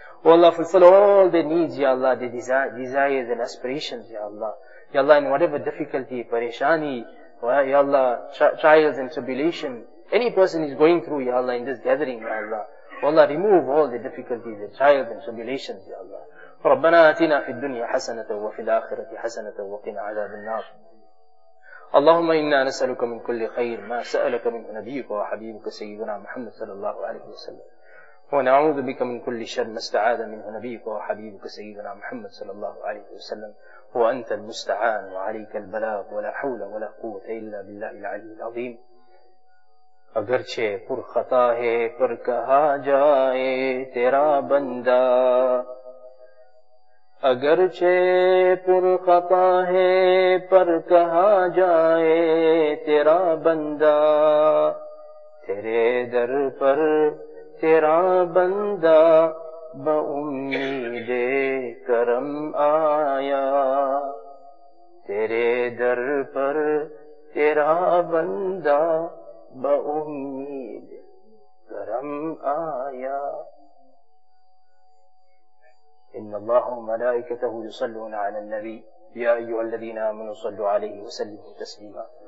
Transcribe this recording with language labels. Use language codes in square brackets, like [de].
[en] Oh Allah, fulfill all their needs, Ya Allah, their desires and aspirations, Ya Allah. Ya Allah, in whatever difficulty, parishani, Ya Allah, trials and tribulation, any person is going through, Ya Allah, in this gathering, Ya Allah. Allah, remove all the difficulties, the trials and tribulations, Ya Allah. [ar] رَبَّنَا آتِنَا فِي الدُّنْيَا حَسَنَةً وَفِي الْآخِرَةِ حَسَنَةً وَقِنَا عَذَابَ النَّارِ اللهم إنا نسألك من كل خير ما سألك من نبيك وحبيبك سيدنا محمد صلى الله عليه وسلم ونعوذ بك من كل شر ما استعاذ منه نبيك وحبيبك سيدنا محمد صلى الله عليه وسلم هو أنت المستعان وعليك البلاغ ولا حول ولا قوة إلا بالله العلي العظيم [ur] اگرچہ پر خطا ہے پر کہا جائے تیرا بندہ اگرچہ پر خطا ہے پر کہا جائے تیرا بندہ تیرے در پر تیرا بندہ بامید کرم آیا تیرے در پر تیرا بندہ بامید کرم آیا. [ar] ان اللہ وملائکتہ یصلون علی النبی یا ایھا الذین آمنوا صلوا علیہ وسلموا تسلیما.